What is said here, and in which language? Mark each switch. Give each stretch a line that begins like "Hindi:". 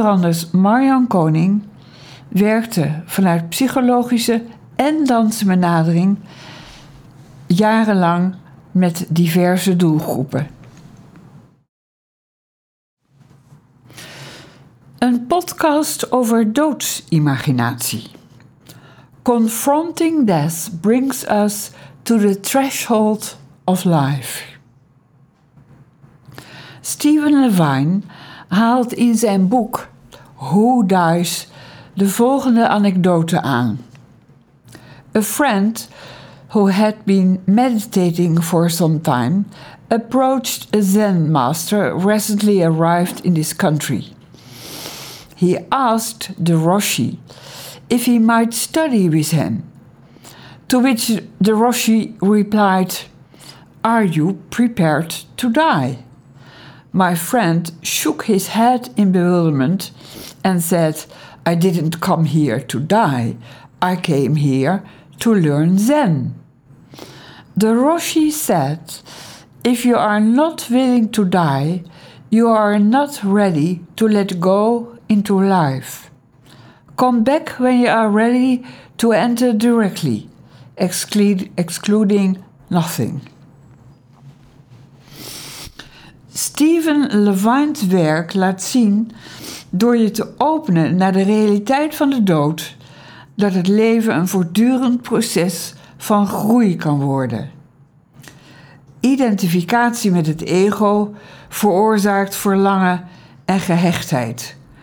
Dutch: Anders Marjan Koning werkte vanuit psychologische en dansbenadering jarenlang met diverse doelgroepen. Een podcast over doodsimaginatie.
English: Confronting death brings us to the threshold of life.
Dutch: Stephen Levine haalt in zijn boek Who Dies de volgende anekdote aan.
English: A friend who had been meditating for some time approached a Zen master recently arrived in this country. He asked the Roshi if he might study with him, to which the Roshi replied, "Are you prepared to die?" My friend shook his head in bewilderment and said, "I didn't come here to die. I came here to learn Zen." The Roshi said, "If you are not willing to die, you are not ready to let go into life. Come back when you are ready to enter directly, excluding nothing."
Dutch: Stephen Levine's werk laat zien, door je te openen naar de realiteit van de dood, dat het leven een voortdurend proces van groei kan worden. Identificatie met het ego veroorzaakt verlangen en gehechtheid.